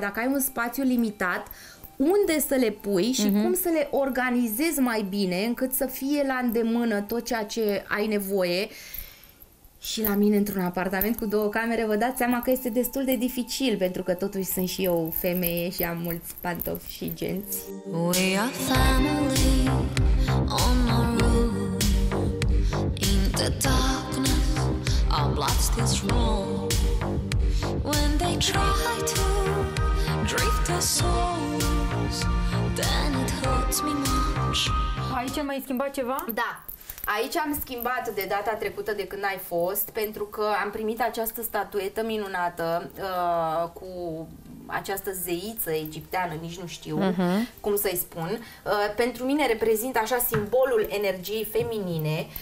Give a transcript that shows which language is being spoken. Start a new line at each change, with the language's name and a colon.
Romanian: Dacă ai un spațiu limitat, unde să le pui și cum să le organizezi mai bine, încât să fie la îndemână tot ceea ce ai nevoie. Și la mine, într-un apartament cu două camere, vă dați seama că este destul de dificil, pentru că totuși sunt și eu femeie și am mulți pantofi și genți.
English: We are family on the roof. In the darkness, our blood still strong. When they try to drift our souls, then it hurts me much.
Romanian: Aici mai schimbat ceva? Da. Aici am schimbat de data trecută de când ai fost, pentru că am primit această statuetă minunată cu această zeiță egipteană, nici nu știu cum să-i spun. Pentru mine reprezintă așa simbolul energiei feminine.